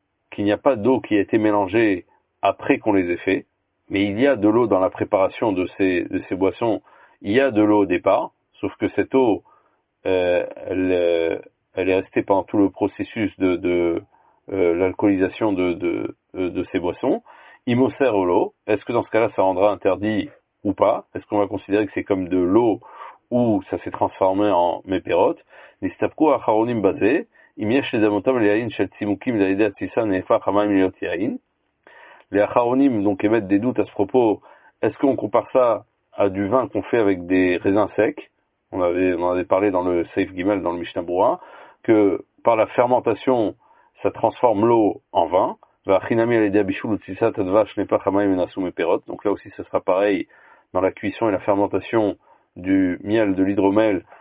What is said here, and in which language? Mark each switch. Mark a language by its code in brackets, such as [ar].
[fr] qu'il n'y a pas d'eau qui a été mélangée après qu'on les ait fait, mais il y a de l'eau dans la préparation de ces boissons, il y a de l'eau au départ, sauf que cette eau, elle est restée pendant tout le processus l'alcoolisation de ces boissons, [he] imoser olo, [fr] est-ce que dans ce cas-là ça rendra interdit ou pas, est-ce qu'on va considérer que c'est comme de l'eau où ça s'est transformé en mépérote, [he] nistapku acharonim bazé, אם יש לדמותם ליין של צימוקים לידי התסיסה נהפך המים להיות יין. [fr] לאחרונים, donc émettre des doutes à ce propos, est-ce qu'on compare ça à du vin qu'on fait avec des raisins secs? On avait parlé dans le Seif Guimel, dans le Mishnah Broura, que par la fermentation, ça transforme l'eau en vin. Donc là aussi, ce sera pareil dans la cuisson et la fermentation du miel, de l'hydromel.